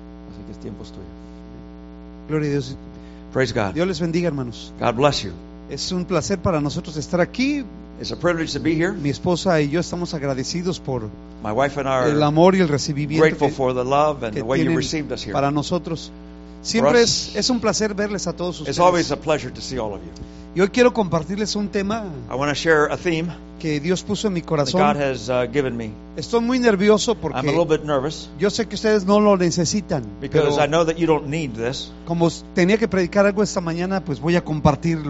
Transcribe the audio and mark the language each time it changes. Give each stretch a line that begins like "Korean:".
Spanish: Así que es tiempo estoy. Gloria a Dios.
English: Praise God.
Spanish: Dios les bendiga, hermanos.
English: God bless you.
Spanish: Es un placer para nosotros estar aquí.
English: It's a privilege to be here.
Spanish: Mi esposa y yo estamos agradecidos por
English: My wife and I are
Spanish: el amor y el recibimiento
English: grateful for the love and the way you received us here.
Spanish: Para nosotros siempre es un placer verles a todos ustedes.
English: It's always a pleasure to see all of you.
Spanish: Y hoy quiero compartirles un tema.
English: I want to share a theme.
Spanish: Que Dios puso en mi corazón.
English: God has, given me.
Spanish: Estoy muy nervioso porque
English: I'm a little bit nervous.
Spanish: Yo sé que ustedes no lo necesitan.
English: Because I know that you don't need this.
Spanish: Como tenía que predicar algo esta mañana, pues voy a compartir lo